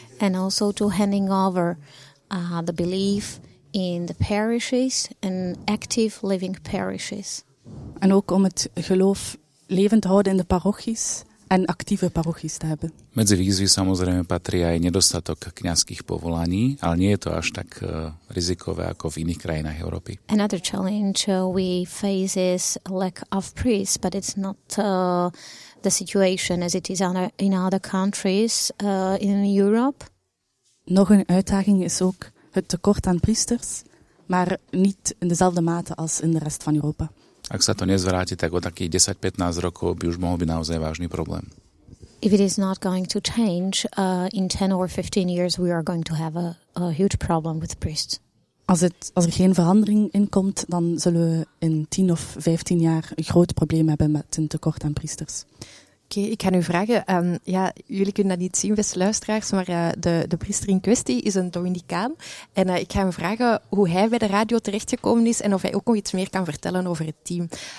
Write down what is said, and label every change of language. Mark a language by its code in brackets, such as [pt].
[en] And also to handing over the belief in the parishes and active living parishes. [nl] En ook om het geloof levend te houden in de parochies en actieve parochies te hebben. [sk] Medzi výzvy samozrejme patrí aj nedostatok kňazských povolaní, ale nie je to až tak rizikové ako v iných krajinách Európy. [en] Another challenge we face is lack of priests, but it's not the situation as it is in other countries in Europe. [nl] Nog een uitdaging is ook het tekort aan priesters, maar niet in dezelfde mate als in de rest van Europa. [sk] Ak sa to nezvráti, tak o takých 10-15 rokov by už mohol byť naozaj vážny problém. [en] If it is not going to change, in 10 or 15 years we are going to have a huge problem with priests. [nl] Als er geen verandering inkomt, dan zullen we in 10 of 15 jaar een groot probleem hebben met een tekort aan priesters. Oké, ik ga nu vragen. Jullie kunnen dat niet zien, beste luisteraars, maar de priester in kwestie is een Dominicaan. En ik ga hem vragen hoe hij bij de radio terechtgekomen is en of hij ook nog iets meer kan vertellen over het team.